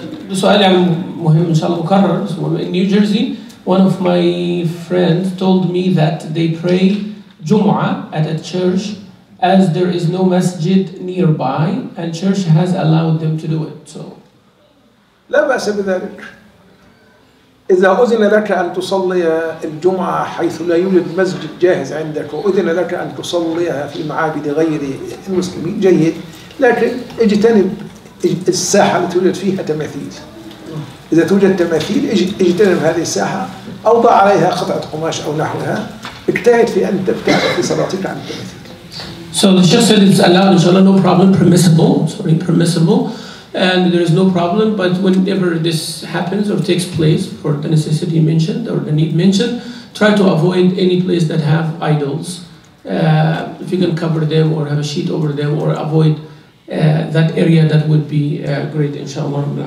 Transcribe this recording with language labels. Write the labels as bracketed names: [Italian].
[Arabic] السؤال مهم إن شاء الله مكرر. [English] In New Jersey, one of my friends told me that they pray Jumu'ah at a church as there is no masjid nearby and church has allowed them to do it. So [Arabic] لا بأس بذلك. إذا أذن لك أن تصلي الجمعة حيث لا يوجد مسجد جاهز عندك، وأذن لك أن تصليها في معابد غير المسلمين، جيد، لكن اجتنب الساحة التي توجد فيها تماثيل. إذا توجد تماثيل اجتنب هذه الساحة، أو ضع عليها قطعة قماش أو نحوها، اجتهد في أن تبتعد في صلاتك عن التماثيل. [English] So the Sheikh said it's allowed, inshallah, no problem, permissible, and there is no problem, but whenever this happens or takes place for the necessity mentioned or the need mentioned, try to avoid any place that have idols. If you can cover them or have a sheet over them or avoid that area, that would be great, inshallah.